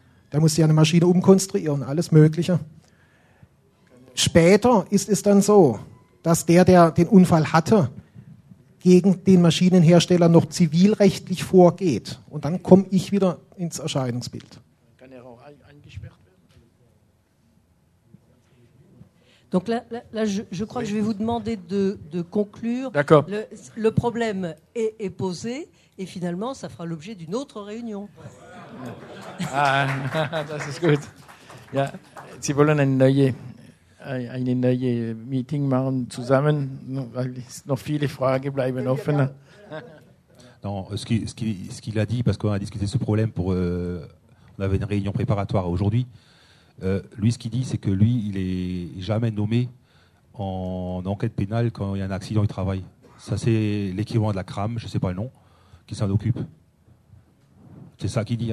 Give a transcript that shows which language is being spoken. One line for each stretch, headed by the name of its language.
German: Der muss sich eine Maschine umkonstruieren, alles Mögliche. Später ist es dann so, dass der den Unfall hatte, gegen den Maschinenhersteller noch zivilrechtlich vorgeht. Und dann komme ich wieder ins Erscheinungsbild. Kann er auch eingesperrt werden?
French: Donc là je crois que je vais vous demander de conclure. D'accord. Le problème est posé et finalement ça fera l'objet d'une autre réunion.
English: Ah, that's good.
German: Ja, Sie wollen eine neue Meeting machen zusammen, weil noch viele Fragen bleiben offen.
French: Non, ce qu'il a dit, parce qu'on a discuté ce problème pour on avait une réunion préparatoire aujourd'hui. Lui, ce qu'il dit, c'est que lui, il n'est jamais nommé en enquête pénale quand il y a un accident du travail. Ça, c'est l'équivalent de la CRAM, je ne sais pas le nom, qui s'en occupe. C'est ça qu'il dit.